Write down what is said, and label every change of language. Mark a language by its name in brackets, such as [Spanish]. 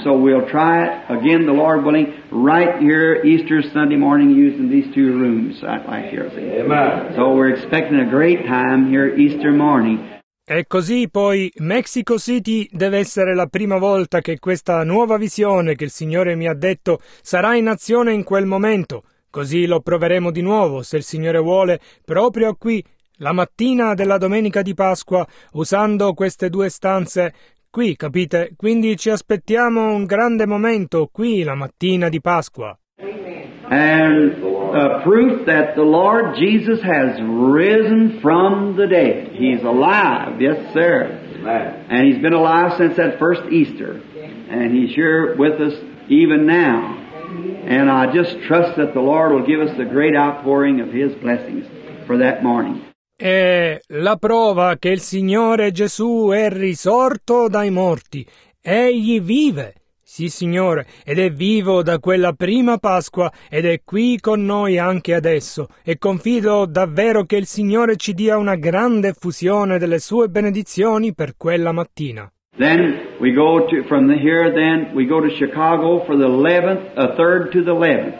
[English] So we'll try it again, the Lord willing, right here Easter Sunday morning using these two rooms right here. Amen. So we're expecting a great time here Easter morning. [Italian] E così poi Mexico City deve essere la prima volta che questa nuova visione che il Signore mi ha detto sarà in azione in quel momento. Così lo proveremo di nuovo, se il Signore vuole, proprio qui la mattina della domenica di Pasqua, usando queste due stanze qui, capite? Quindi ci aspettiamo un grande momento qui la mattina di Pasqua. [English] And a proof that the Lord Jesus has risen from the dead. He's alive, yes, sir. And he's been alive since that first Easter. And he's here with us even now. And I just trust that the Lord will give us the great outpouring of his blessings for that morning. [Italian] È la prova che il Signore Gesù è risorto dai morti. Egli vive, sì Signore, ed è vivo da quella prima Pasqua ed è qui con noi anche adesso. E confido davvero che il Signore ci dia una grande effusione delle sue benedizioni per quella mattina. [English] Then we go to, from here then, we go to Chicago for the 11th, a third to the 11th.